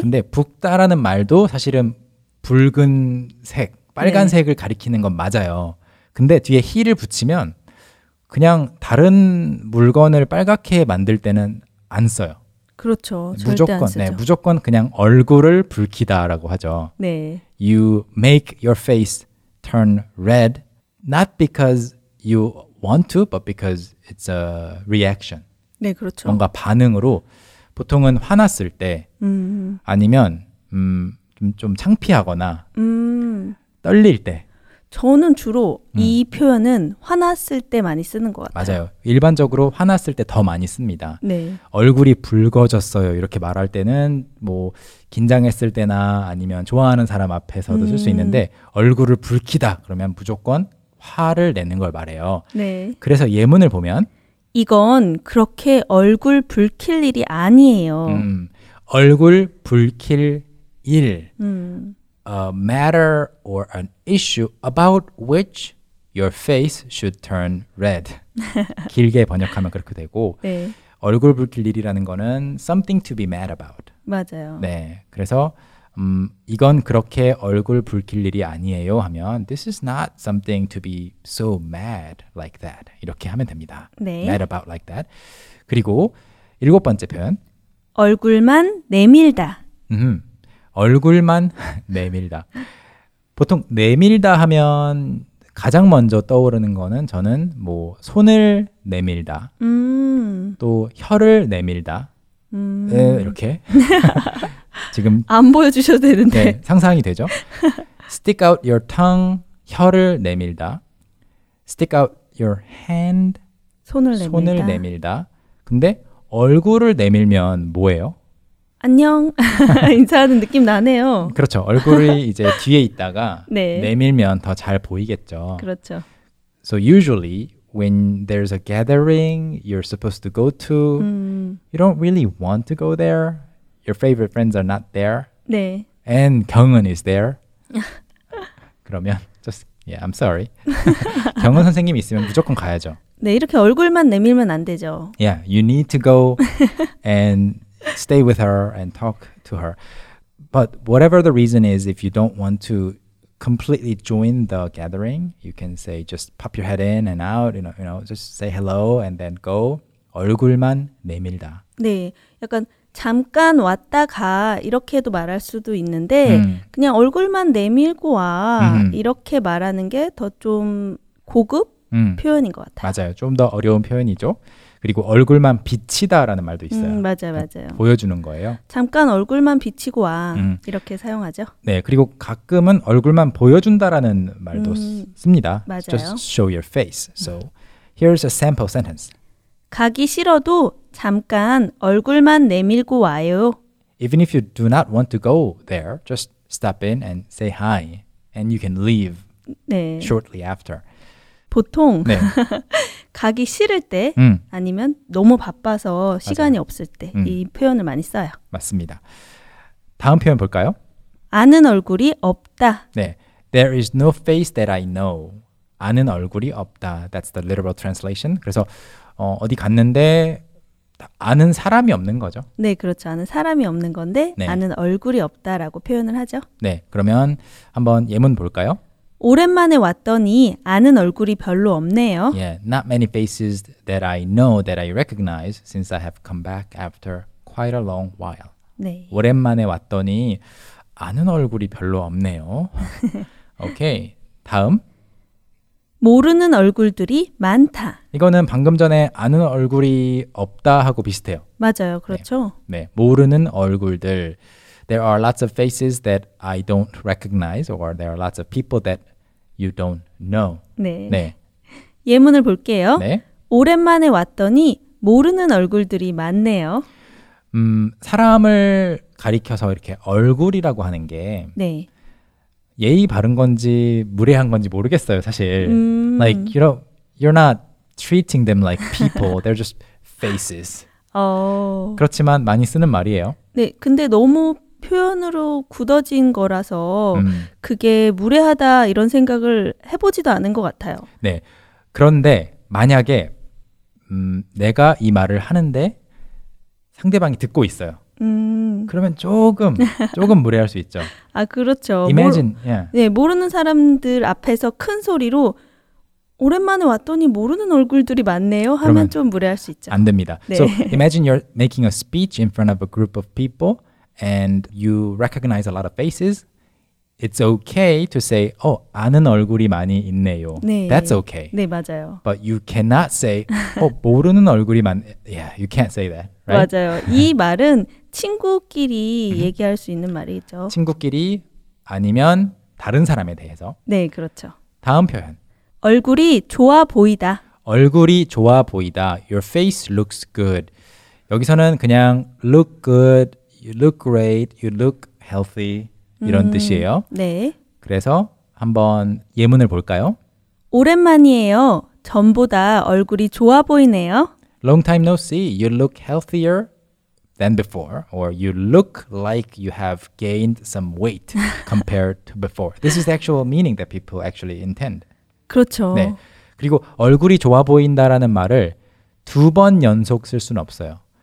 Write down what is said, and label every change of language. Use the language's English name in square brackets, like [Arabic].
[Korean] 근데 붉다라는 말도 사실은 붉은색, 빨간색을 네. 가리키는 건 맞아요. 근데 뒤에 he를 붙이면 그냥 다른 물건을 빨갛게 만들 때는 안 써요. 그렇죠. 무조건, 절대 안 쓰죠. 네, 무조건 그냥 얼굴을 붉히다라고 하죠. 네. [English] You make your face turn red not because you want to, but because it's a reaction. [Korean] 네, 그렇죠. 뭔가 반응으로 보통은 화났을 때 아니면 좀 창피하거나 떨릴 때. 저는 주로 이 표현은 화났을 때 많이 쓰는 것 같아요. 맞아요. 일반적으로 화났을 때 더 많이 씁니다. 네. 얼굴이 붉어졌어요. 이렇게 말할 때는 뭐 긴장했을 때나 아니면 좋아하는 사람 앞에서도 쓸 수 있는데 얼굴을 붉히다 그러면 무조건 화를 내는 걸 말해요. 네. 그래서 예문을 보면 이건 그렇게 얼굴 붉힐 일이 아니에요. 얼굴 붉힐 일 [English] A matter or an issue about which your face should turn red. [Korean] 길게 번역하면 그렇게 되고 네. [English] 얼굴 붉힐 일이라는 거는 something to be mad about. [Korean] 맞아요. 네. 그래서 이건 그렇게 얼굴 붉힐 일이 아니에요 하면 [English] This is not something to be so mad like that. [Korean] 이렇게 하면 됩니다. 네. [English] Mad about like that. [Korean] 그리고 일곱 번째 표현. 얼굴만 내밀다. 얼굴만 내밀다. 보통 내밀다 하면 가장 먼저 떠오르는 거는 저는 뭐 손을 내밀다. 또 혀를 내밀다. 네, 이렇게. 지금 안 보여주셔도 되는데 네, 상상이 되죠? [English] Stick out your tongue, [Korean] 혀를 내밀다. [English] Stick out your hand, [Korean] 손을 내밀다. 근데 얼굴을 내밀면 뭐예요? 안녕 인사하는 느낌 나네요. 그렇죠. 얼굴이 이제 뒤에 있다가 네. 내밀면 더 잘 보이겠죠. 그렇죠. [English] So usually when there's a gathering you're supposed to go to, you don't really want to go there. Your favorite friends are not there. [Korean] 네. [English] And 경은 is there. [Korean] 그러면 [English] I'm sorry. [Korean] 경은 선생님이 있으면 무조건 가야죠. 네, 이렇게 얼굴만 내밀면 안 되죠. [English] Yeah, you need to go and stay with her and talk to her. But whatever the reason is, if you don't want to completely join the gathering, you can say just pop your head in and out, you know, just say hello and then go. [Korean] 얼굴만 내밀다. 네, 약간 잠깐 왔다 가 이렇게도 말할 수도 있는데 그냥 얼굴만 내밀고 와 이렇게 말하는 게 더 좀 고급 표현인 것 같아요. 맞아요. 좀 더 어려운 표현이죠. 그리고 얼굴만 비치다라는 말도 있어요. 맞아요. 보여주는 거예요. 잠깐 얼굴만 비치고 와 이렇게 사용하죠. 네. 그리고 가끔은 얼굴만 보여준다라는 말도 씁니다. 맞아요. [English] Just show your face. So here's a sample sentence. [Korean] 가기 싫어도 잠깐 얼굴만 내밀고 와요. [English] Even if you do not want to go there, just stop in and say hi. And you can leave shortly after. [Korean] 보통 가기 싫을 때 아니면 너무 바빠서 시간이 맞아요. 없을 때 이 표현을 많이 써요. 맞습니다. 다음 표현 볼까요? 아는 얼굴이 없다. [English] 네. There is no face that I know. [Korean] 아는 얼굴이 없다. [English] That's the literal translation. [Korean] 그래서 어디 갔는데 아는 사람이 없는 거죠? 네, 그렇죠. 아는 사람이 없는 건데 아는 얼굴이 없다라고 표현을 하죠. 네, 그러면 한번 예문 볼까요? 오랜만에 왔더니 아는 얼굴이 별로 없네요. Yeah, not many faces that I know that I recognize since I have come back after quite a long while. 네. 오랜만에 왔더니 아는 얼굴이 별로 없네요. 오케이, 다음. 모르는 얼굴들이 많다. 이거는 방금 전에 아는 얼굴이 없다 하고 비슷해요. 맞아요. 그렇죠? 네. 네. 모르는 얼굴들. [English] There are lots of faces that I don't recognize or there are lots of people that you don't know. [Korean] 네. 네. 예문을 볼게요. 네. 오랜만에 왔더니 모르는 얼굴들이 많네요. 사람을 가리켜서 이렇게 얼굴이라고 하는 게 네. 예의 바른 건지 무례한 건지 모르겠어요, 사실. [English] Like, you know, you're not treating them like people. They're just faces. [Korean] 그렇지만 많이 쓰는 말이에요. 네, 근데 너무 표현으로 굳어진 거라서 그게 무례하다 이런 생각을 해보지도 않은 것 같아요. 네, 그런데 만약에 내가 이 말을 하는데 상대방이 듣고 있어요. 그러면 조금 무례할 수 있죠. 아, 그렇죠. [English] Imagine. [Korean] 네, 모르는 사람들 앞에서 큰 소리로 오랜만에 왔더니 모르는 얼굴들이 많네요 하면 좀 무례할 수 있죠. 안 됩니다. [English] 네. So imagine you're making a speech in front of a group of people and you recognize a lot of faces. It's okay to say, oh, [Korean] 아는 얼굴이 많이 있네요. 네. [English] That's okay. [Korean] 네, 맞아요. [English] But you cannot say, oh, [Korean] 모르는 얼굴이 많네요. [English] Yeah, you can't say that. Right? [Korean] 맞아요. 이 말은 친구끼리 얘기할 수 있는 말이죠. 친구끼리 아니면 다른 사람에 대해서. 네, 그렇죠. 다음 표현. 얼굴이 좋아 보이다. 얼굴이 좋아 보이다. [English] Your face looks good. [Korean] 여기서는 그냥 [English] look good, you look great, you look healthy. [Korean] 이런 뜻이에요. 네. 그래서 한번 예문을 볼까요? 오랜만이에요. 전보다 얼굴이 좋아 보이네요. [English] Long time no see. You look healthier than before. Or you look like you have gained some weight compared to before. This is the actual meaning that people actually intend. [Korean] 그렇죠. 네. 그리고 얼굴이 좋아 보인다라는 말을 두 번 연속 쓸 수는 없어요.